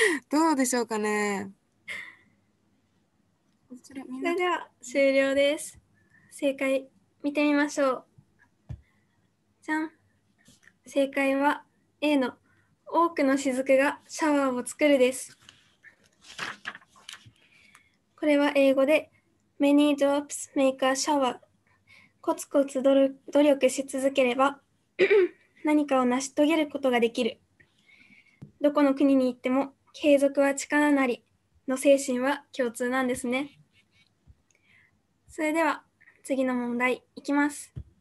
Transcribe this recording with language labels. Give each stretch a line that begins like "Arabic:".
Japanese: どうでしょうかね。それでは終了です。正解見てみましょう。じゃん、正解は A の多くの雫がシャワーを作るです。これは英語で
English: Many drops make a shower。
Japanese: コツコツ努力し続ければ何かを成し遂げることができる。どこの国に行っても継続は力なりの精神は共通なんですね。それでは次の問題いきます。